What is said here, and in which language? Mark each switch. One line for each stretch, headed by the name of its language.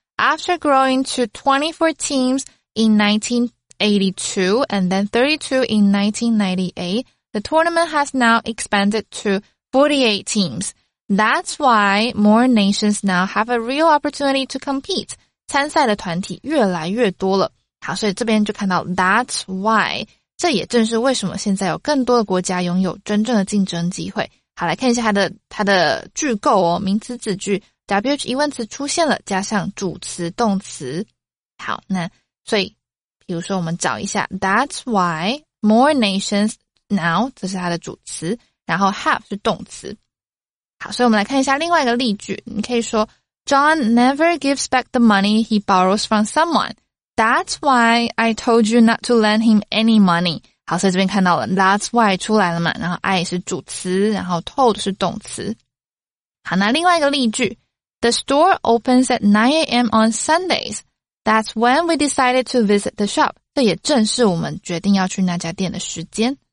English: After growing to 24 teams in 1982 and then 32 in 1998, the tournament has now expanded to 48 teams. That's why more nations now have a real opportunity to compete.
Chinese: 参赛的团体越来越多了。好，所以这边就看到
English: that's why，
Chinese: 这也正是为什么现在有更多的国家拥有真正的竞争机会。好，来看一下它的句构哦，名词子句。 WH 疑问词出现了，加上主词动词。好，那所以比如说我们找一下
English: That's why more nations now，
Chinese: 这是它的主词，然后 have 是动词。好，所以我们来看一下另外一个例句，你可以说
English: John never gives back the money he borrows from someone. That's why I told you not to lend him any money.
Chinese: 好，所以这边看到了 That's why 出来了嘛，然后 I 是主词，然后 told 是动词。
English: 好，那另外一个例句，The store opens at 9 a.m. on Sundays. That's when we decided to visit the shop.
Chinese: 这也正是我们决定要去那家店的时间。